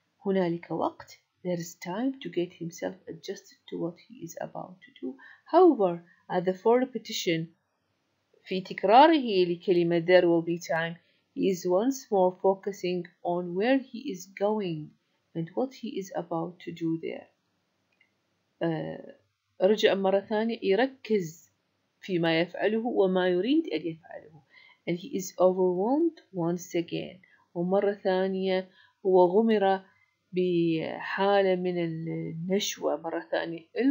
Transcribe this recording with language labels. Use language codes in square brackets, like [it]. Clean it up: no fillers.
[ar] هنالك وقت [en] there is time to get himself adjusted to what he is about to do. However, at the fourth repetition [ar] في تكراره لكلمة [en] there will be time he is once more focusing on where he is going and what he is about to do there. [ar] رجع مرة ثانية يركز فيما يفعله وما يريد أن يفعله. [en] And he is overwhelmed once again. [ar] ومرة ثانية هو غمر بحالة من النشوة مرة ثانية.